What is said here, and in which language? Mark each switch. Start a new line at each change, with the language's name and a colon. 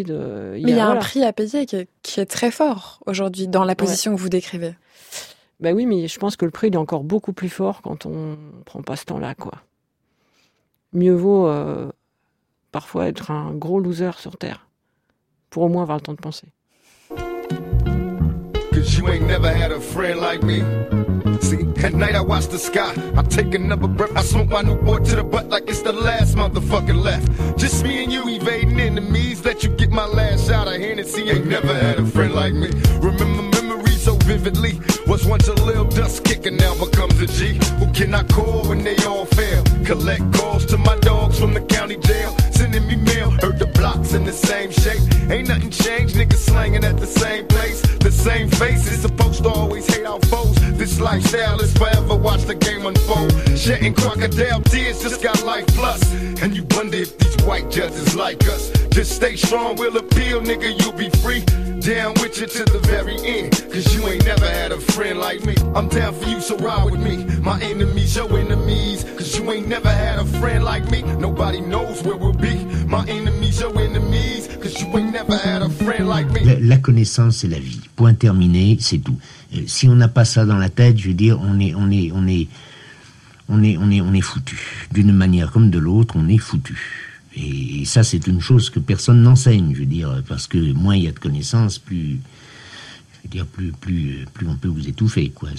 French: Il y a un prix à payer qui est très fort aujourd'hui dans la position que vous décrivez. Ben oui, mais je pense que le prix, il est encore beaucoup plus fort quand on prend pas ce temps-là, quoi. Mieux vaut parfois être un gros loser sur Terre, pour au moins avoir le temps de penser.
English: Cause you ain't never had a friend like me. See, at night I watch the sky, I take another breath, I smoke my new boy to the butt like it's the last motherfucker left. Just me and you evading enemies, let you get my last shot of Hennessy. Ain't never had a friend like me. Remember memories so vividly, was once a little dust kicker, now becomes a G. Who can I call when they all fail? Collect calls to my dogs from the county jail, sending me mail, heard the blocks in the same shape. Ain't nothing changed, niggas slanging at the same place. The same faces, supposed to always hate our foes. This lifestyle is forever, watch the game unfold. Shitting crocodile tears, just got life plus. And you wonder if these white judges like us. Just stay strong, we'll appeal, nigga, you'll be free. Down with you to the very end, cause you ain't never had a friend like me. I'm down for you, so ride with me. My enemies, your enemies, cause you ain't never had a friend like me. Nobody knows where we'll be. My enemies, your enemies, cause you ain't never had a friend like me.
French: La connaissance et la vie, point terminé, c'est tout. Si on n'a pas ça dans la tête, je veux dire, on est foutu. D'une manière comme de l'autre, on est foutu. Et ça, c'est une chose que personne n'enseigne, je veux dire, parce que moins il y a de connaissances, plus, je veux dire, plus on peut vous étouffer, quoi.